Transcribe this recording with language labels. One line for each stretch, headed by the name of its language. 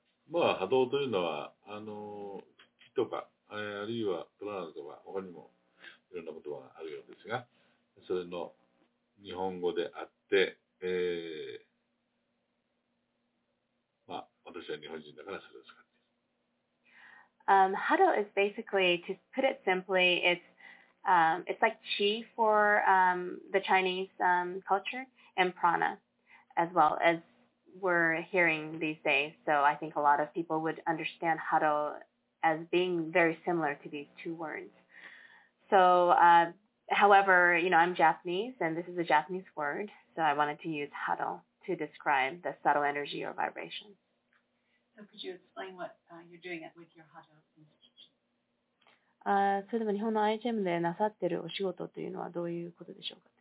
Japanese: Well, hado というのは、気とか、あるいはプラーナとか、他にもいろんな言葉があるようですが、それの日本語であって、まあ、私は日本人だからそれを使っています。
English: Hado is basically, to put it simply, it's like qi for the Chinese culture and prana. As well as we're hearing these days. So I think a lot of people would understand hado as being very similar to these two words. So, however, you know, I'm Japanese and this is a Japanese word. So I wanted to use hado to describe the subtle energy or vibration. So could you explain what you're doing with your hado institution?
Japanese: それでも日本の IHM でなさってるお仕事というのはどういうことでしょうか?